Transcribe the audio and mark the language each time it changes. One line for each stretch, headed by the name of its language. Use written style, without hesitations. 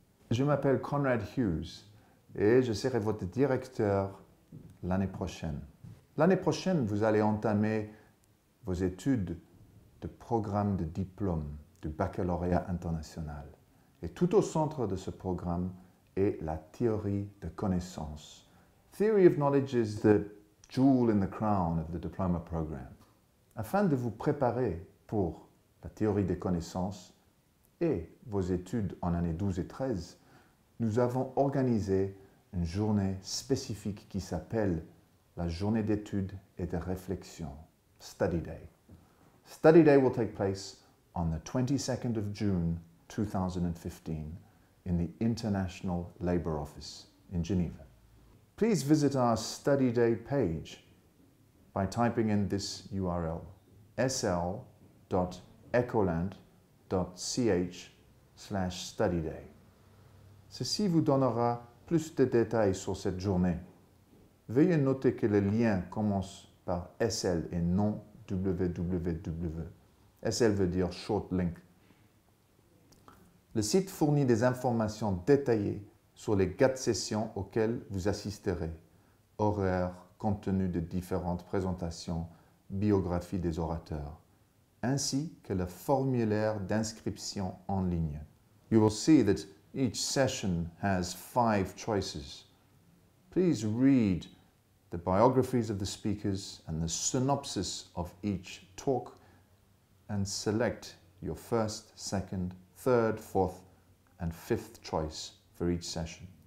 French: Je m'appelle Conrad Hughes et je serai votre directeur l'année prochaine. L'année prochaine, vous allez entamer vos études de programme de diplôme du baccalauréat international. Et tout au centre de ce programme est la théorie de connaissance.
English: Theory of knowledge is the jewel in the crown of the diploma program.
French: Afin de vous préparer pour la théorie des connaissances et vos études en années 12 et 13, nous avons organisé une journée spécifique qui s'appelle la journée d'études et de réflexion, Study Day.
English: Study Day will take place on the 22nd of June 2015 in the International Labour Office in Geneva. Please visit our Study Day page by typing in this URL, sl.ecoland.ch/study day.
French: Ceci vous donnera plus de détails sur cette journée. Veuillez noter que le lien commence par SL et non www. SL veut dire short link. Le site fournit des informations détaillées sur les 4 sessions auxquelles vous assisterez. Horaires, contenu de différentes présentations, biographies des orateurs, ainsi que le formulaire d'inscription en ligne.
English: You will see that each session has 5 choices. Please read the biographies of the speakers and the synopsis of each talk and select your first, second, third, fourth, and fifth choice for each session.